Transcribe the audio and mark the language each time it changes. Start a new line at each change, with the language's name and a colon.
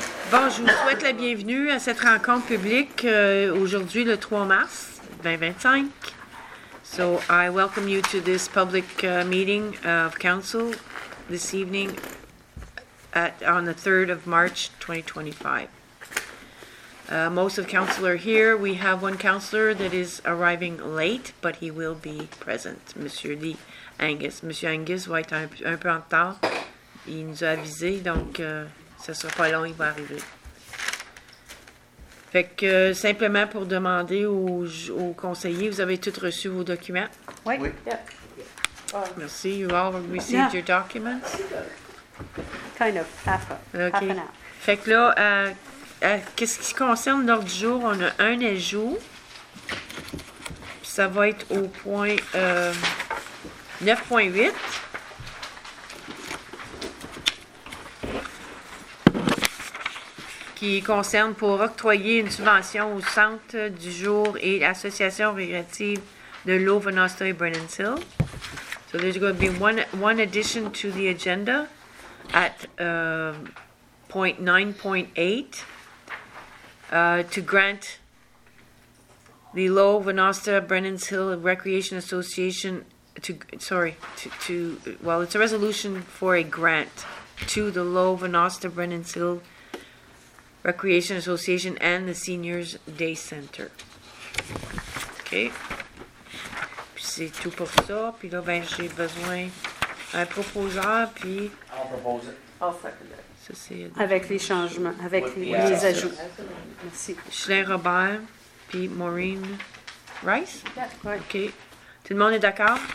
French: Bon, je vous souhaite la bienvenue à cette rencontre publique aujourd'hui, le 3 mars 2025.
English: So, I welcome you to this public meeting of council this evening on the 3rd of March, 2025. Most of council are here. We have one councillor that is arriving late, but he will be present, Monsieur Lee Angus.
French: Monsieur Angus va être un peu en retard. Il nous a avisé, donc... ça sera pas long, il va arriver. Fait que, simplement pour demander aux conseillers, vous avez tous reçu vos documents? Oui.
English: Merci, you all received your documents? Kind of, half, half an hour.
French: Fait que là, qu'est-ce qui concerne l'ordre du jour, on a un ajout. Ça va être au point 9.8. Qui concerne pour octroyer une subvention au Centre du jour et l'Association récréative de l'eau Venosta et Brennan's Hill.
English: So there's going to be one addition to the agenda at point 9.8 to grant the Low Venosta Brennan's Hill Recreation Association it's a resolution for a grant to the Low Venosta Brennan's Hill Recreation Association and the Seniors Day Center.
French: OK. Puis c'est tout pour ça. Puis là, ben j'ai besoin d'un proposeur, puis...
English: I'll propose it. I'll second it.
French: Ça, c'est... Avec les changements, avec les ajouts. Merci. Chelin Robert, puis Maureen Rice?
English: Yeah.
French: OK. Tout le monde est d'accord?